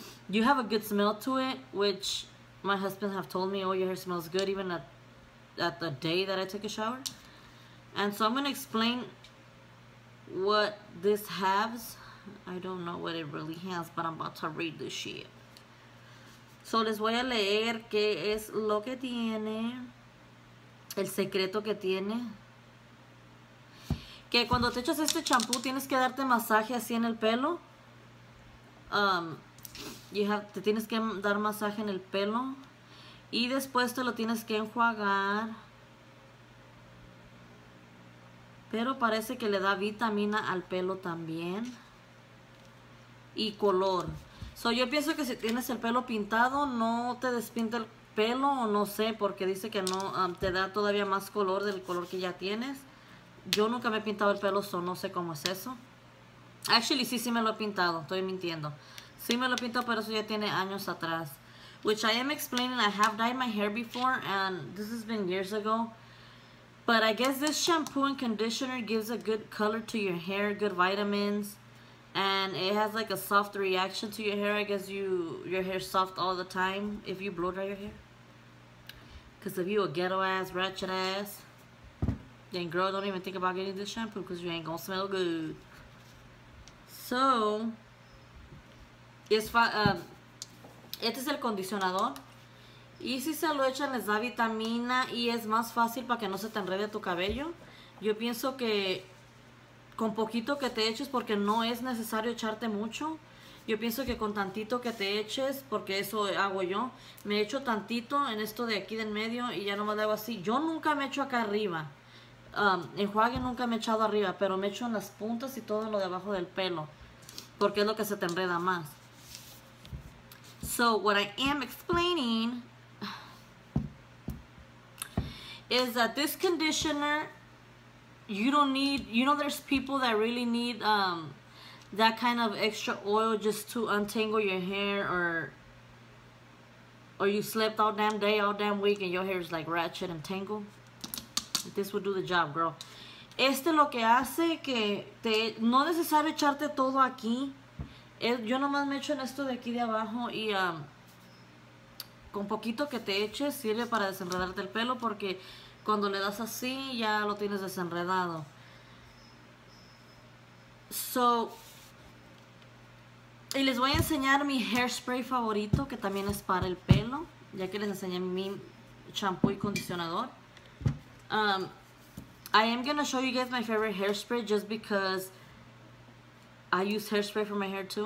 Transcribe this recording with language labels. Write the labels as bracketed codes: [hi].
[en] You have a good smell to it, which my husband have told me, oh, your hair smells good even at the day that I take a shower. And so I'm gonna explain what this has. I don't know what it really has, but I'm about to read this shit. [es] So les voy a leer qué es lo que tiene. El secreto que tiene. Que cuando te echas este champú, tienes que darte masaje así en el pelo. Te tienes que dar masaje en el pelo. Y después te lo tienes que enjuagar. pero parece que le da vitamina al pelo también y color. So yo pienso que si tienes el pelo pintado, no te despinta el pelo, o no sé, porque dice que no te da todavía más color del color que ya tienes. Yo nunca me he pintado el pelo, so no sé cómo es eso. Actually, sí me lo he pintado, estoy mintiendo. Sí me lo he pintado, pero eso ya tiene años atrás. [en] Which I am explaining, I have dyed my hair before, and this has been years ago. But I guess this shampoo and conditioner gives a good color to your hair, good vitamins. And it has like a soft reaction to your hair. I guess your hair soft all the time if you blow dry your hair. Because if you a ghetto ass, ratchet ass, then girl, don't even think about getting this shampoo because you ain't gonna smell good. [es] So, este es el condicionador. Y si se lo echan, les da vitamina y es más fácil para que no se te enrede tu cabello. Yo pienso que con poquito que te eches, porque no es necesario echarte mucho. Yo pienso que con tantito que te eches, porque eso hago yo. Me echo tantito en esto de aquí del medio y ya no me hago así. Yo nunca me echo acá arriba. Enjuague nunca me he echado arriba, pero me echo en las puntas y todo lo debajo del pelo, porque es lo que se te enreda más. [en] So what I am explaining is that this conditioner, you don't need, you know, there's people that really need that kind of extra oil just to untangle your hair, or you slept all damn day, all damn week, and your hair is like ratchet and tangled. This will do the job, girl. [es] Este lo que hace que te, no es necesario echarte todo aquí. Yo nomás me echo en esto de aquí de abajo y con poquito que te eches sirve para desenredarte el pelo, porque cuando le das así ya lo tienes desenredado. So, y les voy a enseñar mi hairspray favorito, que también es para el pelo, ya que les enseñé mi shampoo y condicionador. [en] I am gonna show you guys my favorite hairspray just because I use hairspray for my hair too.